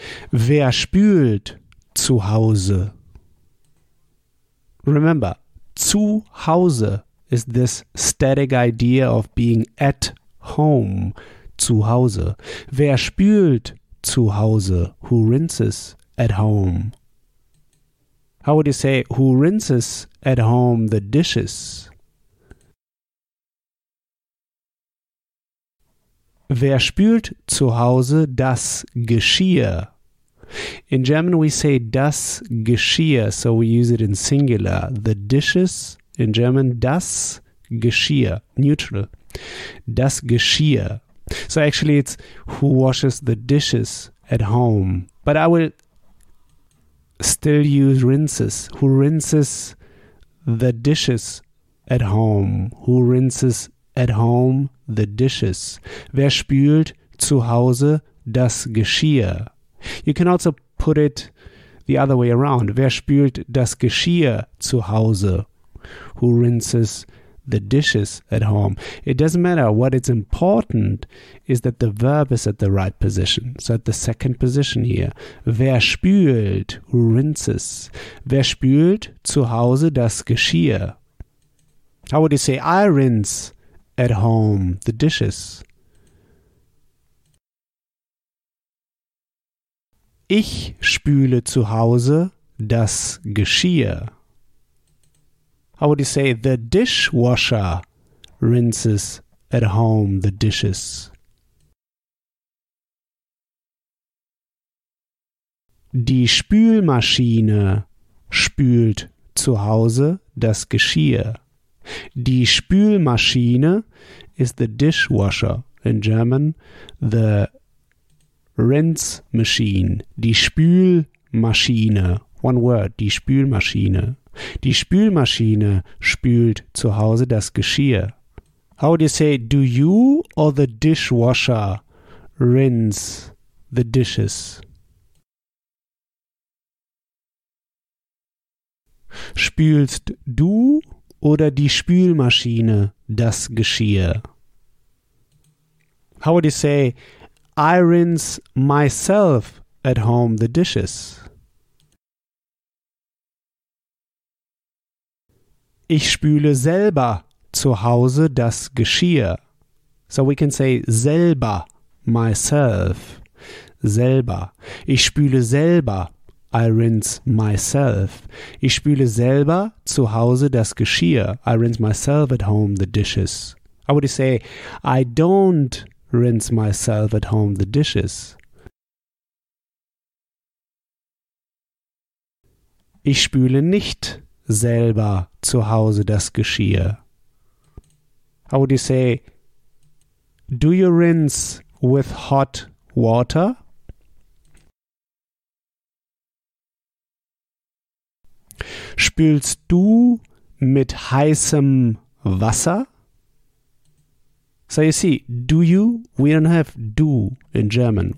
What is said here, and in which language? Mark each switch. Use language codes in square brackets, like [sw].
[de] Wer spült zu Hause? [en] Remember, zu Hause is this static idea of being at home, zu Hause. [de] Wer spült zu Hause? [en] Who rinses at home? How would you say who rinses at home the dishes? [de] Wer spült zu Hause das Geschirr? [en] In German we say das Geschirr, so we use it in singular. The dishes, in German, das Geschirr, neutral. [de] Das Geschirr. [en] So actually it's who washes the dishes at home. But I will still use rinses. Who rinses the dishes at home? Who rinses at home the dishes? [de] Wer spült zu Hause das Geschirr? [en] You can also put it the other way around. [de] Wer spült das Geschirr zu Hause? [en] Who rinses the dishes at home? It doesn't matter. What is important is that the verb is at the right position. So at the second position here. [de] Wer spült? [en] Who rinses? [de] Wer spült zu Hause das Geschirr? [en] How would you say I rinse at home the dishes? [de] Ich spüle zu Hause das Geschirr. [en] How would you say the dishwasher rinses at home the dishes? [de] Die Spülmaschine spült zu Hause das Geschirr. [en] Die Spülmaschine is the dishwasher in German, the rinse machine. [de] Die Spülmaschine. [en] One word, [de] die Spülmaschine. Die Spülmaschine spült zu Hause das Geschirr. [en] How would you say, do you or the dishwasher rinse the dishes? [de] Spülst du oder die Spülmaschine das Geschirr? [en] How would you say, I rinse myself at home the dishes? [de] Ich spüle selber zu Hause das Geschirr. [en] So we can say selber, myself, selber. [de] Ich spüle selber, [en] I rinse myself. [de] Ich spüle selber zu Hause das Geschirr. [en] I rinse myself at home the dishes. How would you say, I don't rinse myself at home the dishes? [de] Ich spüle nicht selber zu Hause das Geschirr. [en] How would you say, do you rinse with hot water? [de] Spülst du mit heißem Wasser? [en] So you see, do you, we don't have do in German.